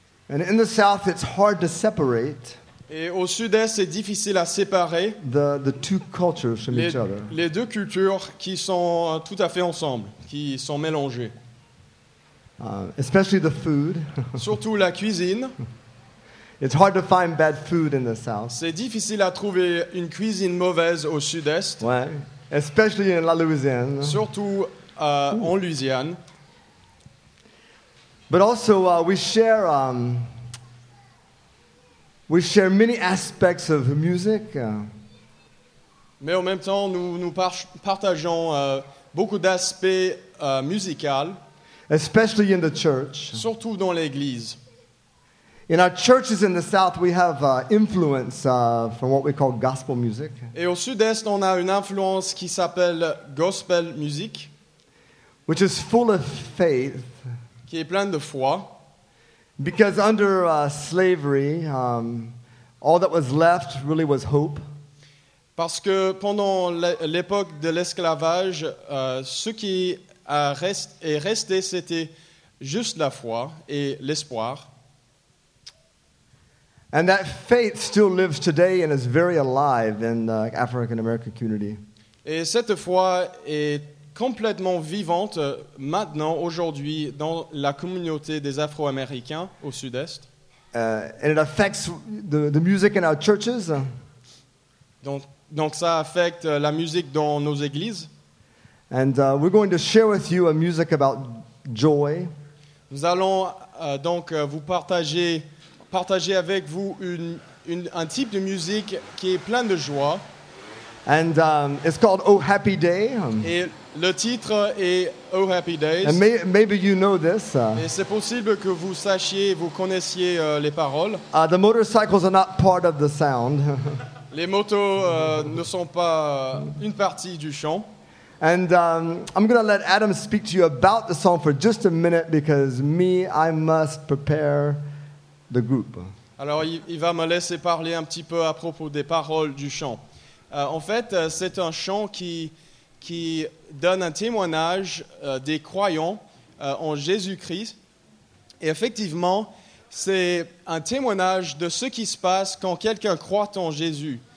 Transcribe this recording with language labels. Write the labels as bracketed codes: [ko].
[en] And in the south, it's hard to separate. [fr] Et au sud-est, c'est difficile à séparer les deux cultures qui sont tout à fait ensemble, qui sont mélangées. [en] Especially the food. [fr] Surtout la cuisine. [en] It's hard to find bad food in the south. [fr] C'est difficile à trouver une cuisine mauvaise au sud-est. Ouais. [en] Especially in la Louisiane. [fr] Surtout en Louisiane. [en] But also we share many aspects of music. [fr] Mais en même temps, nous partageons beaucoup d'aspects musicaux. [en] Especially in the church. [fr] Surtout dans l'église. [en] In our churches in the south, we have influence from what we call gospel music. [fr] Et au sud-est, on a une influence qui s'appelle gospel music, [en] which is full of faith. [fr] Qui est plein de foi. [en] Because under slavery, all that was left really was hope. [fr] Parce que pendant l'époque de l'esclavage, ce qui est resté, c'était juste la foi et l'espoir. [en] And that faith still lives today and is very alive in the African American community. [fr] Et cette foi est complètement vivante maintenant, aujourd'hui, dans la communauté des Afro-Américains au Sud-Est. [en] And it affects the music in our churches. [fr] Donc ça affecte la musique dans nos églises. [en] And we're going to share with you a music about joy. [fr] Nous allons partager avec vous un type de musique qui est plein de joie. [en] And it's called Oh Happy Day. [fr] Et le titre est Oh Happy Days. [en] And maybe you know this. [fr] Et c'est possible que vous sachiez, vous connaissiez les paroles. [en] The motorcycles are not part of the sound. [fr] Les motos ne sont pas une partie du chant. [en] And I'm going to let Adam speak to you about the song for just a minute because I must prepare the group. [fr] Alors il va me laisser parler un petit peu à propos des paroles du chant. En fait, c'est un chant qui donne un témoignage des croyants en Jésus-Christ. Et effectivement, c'est un témoignage de ce qui se passe quand quelqu'un croit en Jésus.